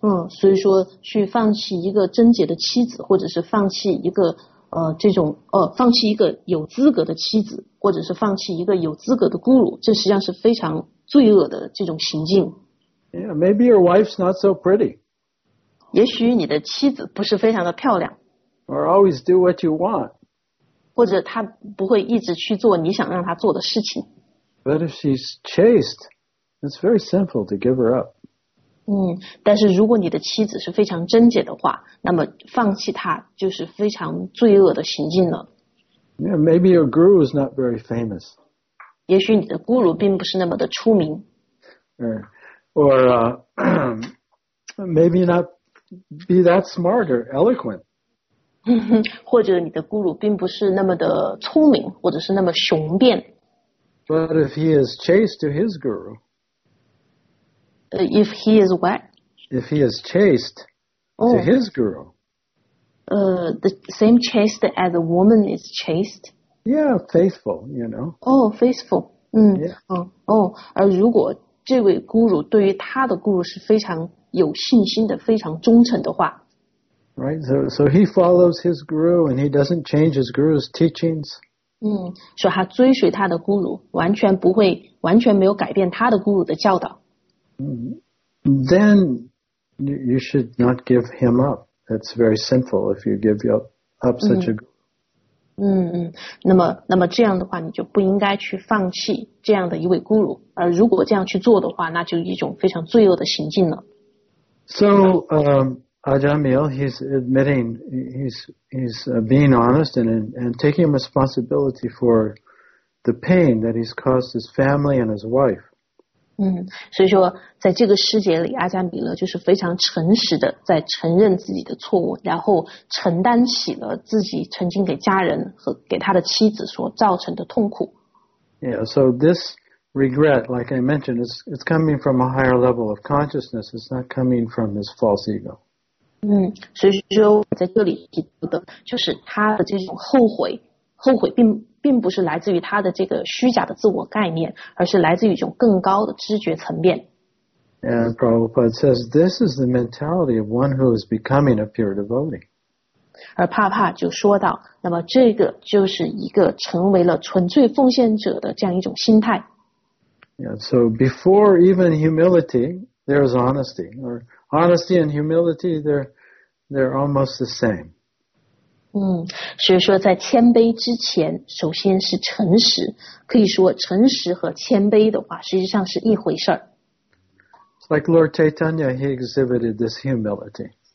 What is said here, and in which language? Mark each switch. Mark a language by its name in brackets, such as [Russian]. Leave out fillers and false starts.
[Chinese] 所以说去放弃一个贞洁的妻子，或者是放弃一个放弃一个有资格的妻子，或者是放弃一个有资格的guru，这实际上是非常罪恶的这种行径。 [English] Yeah, maybe your wife's not so pretty. [Chinese] 也许你的妻子不是非常的漂亮。 [English] Or always do what you want. [Chinese] 或者她不会一直去做你想让她做的事情。 [English] But if she's chaste, it's very simple to give her up. [Chinese] 但是如果你的妻子是非常贞洁的话，那么放弃她就是非常罪恶的行径了。 [English] Yeah, maybe your guru is not very famous. [Chinese] 也许你的guru鲁并不是那么的出名。 [English] Or maybe not be that smart or eloquent. [Chinese] 或者你的guru鲁并不是那么的聪明，或者是那么雄辩。 [English] But if he is chaste to his guru. If he is what? If he is chaste to his guru. The same chaste as a woman is chaste? Yeah, faithful, you know. Oh, faithful. Yeah. [Chinese] 而如果这位 guru 对于他的 guru 是非常有信心的，非常忠诚的话。 [English] Right, so he follows his guru and he doesn't change his guru's teachings. [Chinese] 所以他追随他的 guru, 完全没有改变他的 guru 的教导。 [English] Then you should not give him up. It's very sinful if you give up such a guru. [Chinese] 那么这样的话，你就不应该去放弃这样的一位guru。而如果这样去做的话，那就一种非常罪恶的行径了。 [English] So, Ajamil, he's admitting he's being honest and taking responsibility for the pain that he's caused his family and his wife. [Chinese] 所以说在这个世界里，阿加米勒就是非常诚实的在承认自己的错误，然后承担起了自己曾经给家人和给他的妻子所造成的痛苦。 [English] Yeah, so this regret, like I mentioned, it's coming from a higher level of consciousness. It's not coming from this false ego. [Chinese] 所以说在这里提到的就是他的这种后悔并不是来自于他的这个虚假的自我概念，而是来自于一种更高的知觉层面。 [English] And Prabhupada says this is the mentality of one who is becoming a pure devotee. [Chinese] 而帕帕就说到，那么这个就是一个成为了纯粹奉献者的这样一种心态。 [English] Yeah, so before even humility, there is honesty. Or honesty and humility, they're almost the same. [Chinese] 所以说在谦卑之前首先是诚实，可以说诚实和谦卑的话实际上是一回事儿。 [English] It's like Lord Chaitanya, he exhibited this humility.